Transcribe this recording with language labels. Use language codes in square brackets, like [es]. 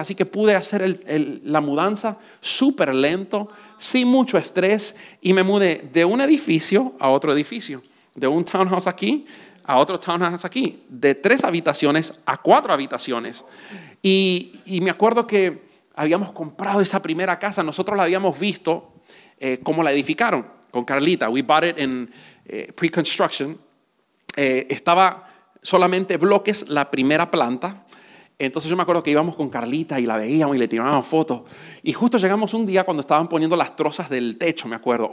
[es] Así que pude hacer la mudanza súper lento, sin mucho estrés, y me mudé de un edificio a otro edificio, de un townhouse aquí a otro townhouse aquí, de 3 habitaciones a 4 habitaciones. Y me acuerdo que habíamos comprado esa primera casa, nosotros la habíamos visto cómo la edificaron con Carlita. [en] We bought it in pre-construction. [es] Estaba solamente bloques la primera planta. Entonces yo me acuerdo que íbamos con Carlita y la veíamos y le tirábamos fotos. Y justo llegamos un día cuando estaban poniendo las trozas del techo, me acuerdo.